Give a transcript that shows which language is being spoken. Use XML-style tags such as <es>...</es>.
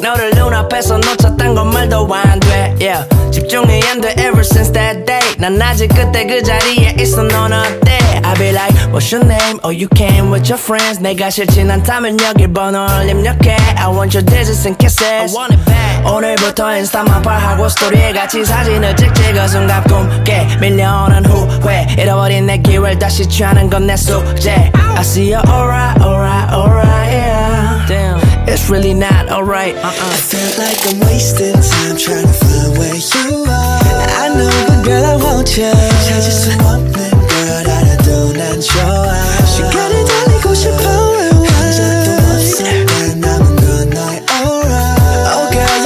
<ko>너를 눈앞에서 놓쳤던 건 말도 안 돼. Yeah. 집중이 안 돼</ko> <en>ever since that day.</en> <ko>난 아직 그때 그 자리에 있어. 넌 어때?</ko> <en>I be like, what's your name? Oh, you came with your friends.</en> <ko>내가 싫지 않다면 여기 번호를 입력해.</ko> <en>I want your digits and kisses. I want it back.</en> <ko>오늘부터 인스타만 파하고 스토리에 같이 사진을 찍지. 그 순간 꿈깨 밀려오는 후회. 잃어버린 내 기회를 다시 취하는 건 내 숙제.</ko> <en>I see your aura, aura, aura, yeah. Damn. It's really not alright. I feel like I'm wasting time trying to find where you are. I know, but girl, I want you.</en> <ko>찾을 수 없는 걸 알아도 난 좋아. 시간을 달리고 싶어. 한 점도 없어. 난 남은 건 너의 aura.</ko> <en>Oh girl.</en>